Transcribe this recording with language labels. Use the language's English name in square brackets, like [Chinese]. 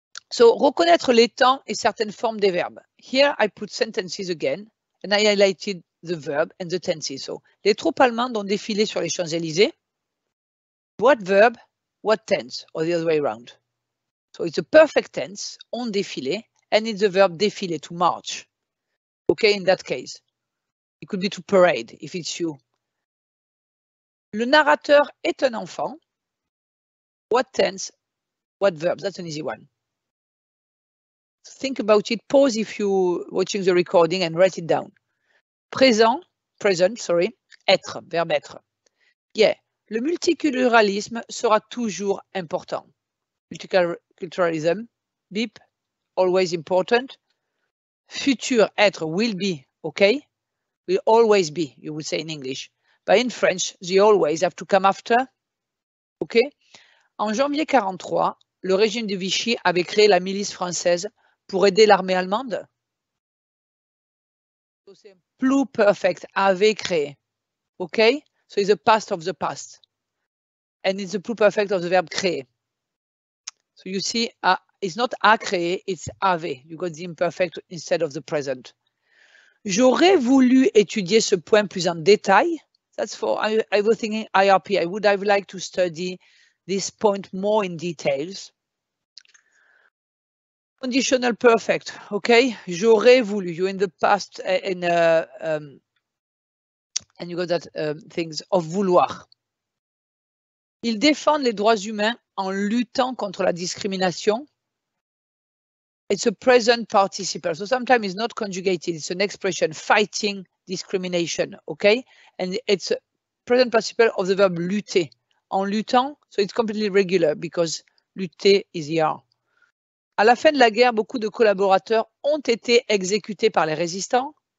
[French] So, reconnaître les temps et certaines formes des verbes. [English] Here, I put sentences again, and I highlighted the verb and the tenses. [French] So, les troupes allemandes ont défilé sur les Champs-Élysées. [English] What verb, what tense, or the other way around. So, it's a perfect tense, ont défilé, and it's the verb défiler, to march. Okay, in that case, it could be to parade, if it's you. [French] Le narrateur est un enfant. [English] What tense, what verb? That's an easy one. Think about it, pause if you're watching the recording and write it down. [French] Present, être, verbe être. Yeah, le multiculturalisme sera toujours important. [English] Multiculturalism, beep, always important. Future, être, will be, okay? Will always be, you would say in English. But in French, the always have to come after, okay? [French] En janvier 43, le régime de Vichy avait créé la milice française pour aider l'armée allemande. [English] So c'est plus perfect, avait créé, okay? So it's the past of the past. And it's the plus perfect of the verb créer. So you see, it's not a créé, it's avait. You got the imperfect instead of the present. [French] J'aurais voulu étudier ce point plus en détail. [English] That's for, I was thinking IRP. I would have liked to study this point more in details. Conditional perfect, okay? J'aurais voulu, you're in the past, and you got that things of vouloir. Ils défendent les droits humains en luttant contre la discrimination. It's a present participle. So sometimes it's not conjugated. It's an expression, fighting discrimination, okay? And it's a present participle of the verb lutter. En luttant, so it's completely regular because lutter is here. [French] À la fin de la guerre, beaucoup de collaborateurs ont été exécutés par les résistants.